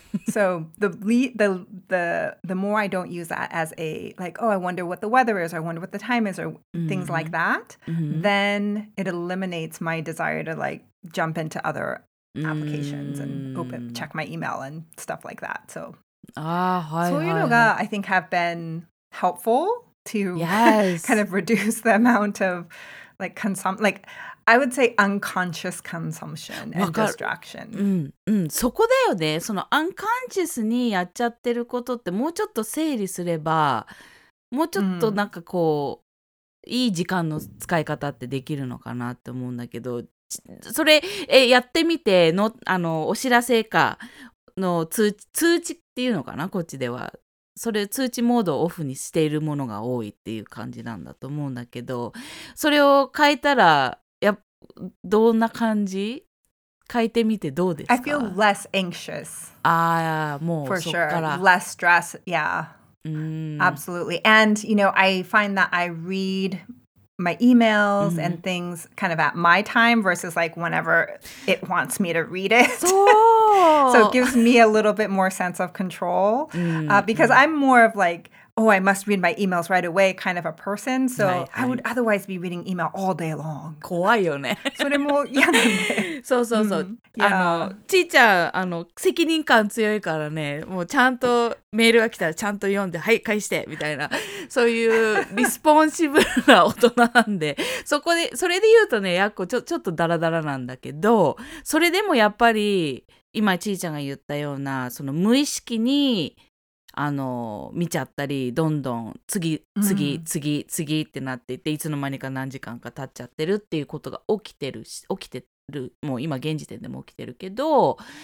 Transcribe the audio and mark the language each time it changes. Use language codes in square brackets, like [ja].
[en] So the more I don't use that as a, like, oh, I wonder what the weather is, or I wonder what the time is, or things like that, then it eliminates my desire to, like, jump into other applications and open, check my email and stuff like that. So, I think have been helpful. To kind of reduce the amount of like consumption, like I would say unconscious consumption and distraction. [ja] そこだよね。その unconscious にやっちゃってることってもうちょっと整理すれば、もうちょっとなんかこう、いい時間の使い方ってできるのかなって思うんだけど、それやってみてのあのお知らせかの通知っていうのかな、こっちでは。それ通知モードをオフにしているものが多いっていう感じなんだと思うんだけど、それを変えたらやどんな感じ？変えてみてどうですか？ [en] I feel less anxious. [ja] ああ、もう [en] For [ja] そっから。 [en] Sure. Less stress, yeah. Absolutely. And, you know, I find that I read my emails and things kind of at my time versus like whenever it wants me to read it. So it gives me a little bit more sense of control because I'm more of like, oh, I must read my emails right away kind of a person. So I would otherwise be reading email all day long. [ja] 怖いよね。それも嫌なんで。そうそうそう。あの、ちーちゃん、あの、責任感強いからね、もうちゃんとメールが来たらちゃんと読んで、はい、返して、みたいな。そういうリスポンシブルな大人なんで、そこで、それで言うとね、やっこちょっとダラダラなんだけど、それでもやっぱり、今ちーちゃんが言ったような、その無意識に、あの見ちゃったりどんどん次ってなっていっていつの間にか何時間か経っちゃってるっていうことが起きてるし起きてるもう今現時点でも起きてるけど